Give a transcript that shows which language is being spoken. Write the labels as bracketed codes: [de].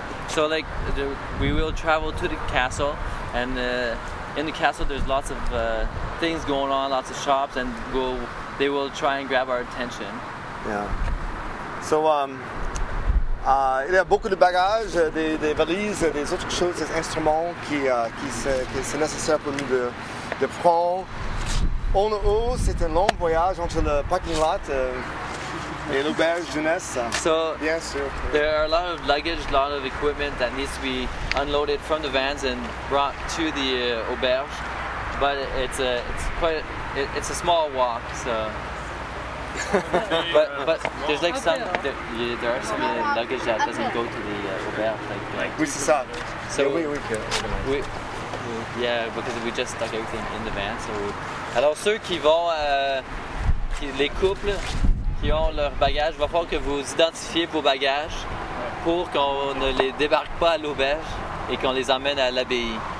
[en] So, like, we will travel to the castle, and in the castle there's lots of things going on, lots of shops, and they will try and grab our attention. Yeah. [fr] So, il y a beaucoup de bagages, des valises, des autres choses, des instruments qui sont nécessaires pour nous de prendre. En haut, c'est un long voyage entre le parking lot et l'auberge jeunesse. [en] So, [fr] bien sûr. [en] There are a lot of luggage, a lot of equipment that needs to be unloaded from the vans and brought to the auberge. But it's a small walk, so. but there's like some there are some luggage that doesn't go to the auberge like we saw. So yeah, we can. We yeah because we just stuck everything in the van. So we, [fr] alors ceux qui vont les couples qui ont leur bagage, va falloir que vous identifiez vos bagages pour qu'on ne les débarque pas à l'auberge et qu'on les emmène à l'abbaye.